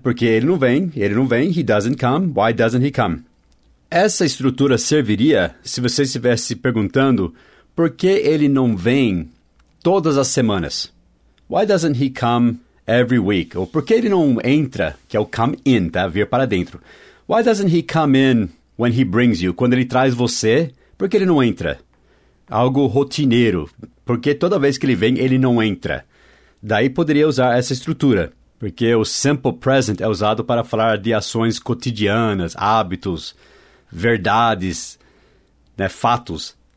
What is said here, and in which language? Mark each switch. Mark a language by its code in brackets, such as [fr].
[pt] Porque ele não vem, [en] he doesn't come, why doesn't he come? [pt] Essa estrutura serviria se você estivesse perguntando por que ele não vem todas as semanas? [en] Why doesn't he come every week? [pt] Ou por que ele não entra, que é o come in, tá? Vir para dentro. [en] Why doesn't he come in when he brings you? [pt] Quando ele traz você, por que ele não entra? Algo rotineiro. Porque toda vez que ele vem, ele não entra. Daí poderia usar essa estrutura. Porque o simple present é usado para falar de ações cotidianas, hábitos, verdades, né? Fatos.